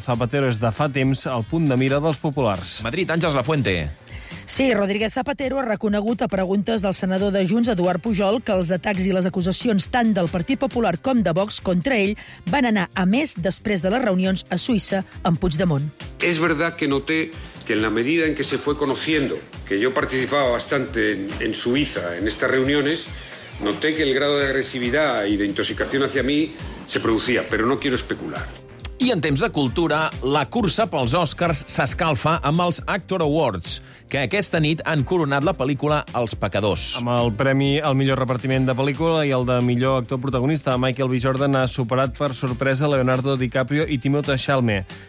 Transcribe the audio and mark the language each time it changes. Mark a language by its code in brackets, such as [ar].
[ca] Zapatero és de fa temps el punt de mira dels populars. Madrid, Àngels Lafuente. Sí, Rodríguez Zapatero ha reconegut a preguntes del senador de Junts, Eduard Pujol, que els atacs i les acusacions tant del Partit Popular com de Vox contra ell van anar a més després de les reunions a Suïssa amb Puigdemont. [es] Es verdad que noté que en la medida en que se fue conociendo que yo participaba bastante en Suiza en estas reuniones, noté que el grado de agresividad y de intoxicación hacia mí se producía, pero no quiero especular. [ca] I en temps de cultura, la cursa pels Oscars s'escalfa amb els Actor Awards, que aquesta nit han coronat la pel·lícula Els Pecadors. Amb el premi al millor repartiment de pel·lícula i el de millor actor protagonista, Michael B. Jordan ha superat per sorpresa Leonardo DiCaprio i Timothée Chalamet.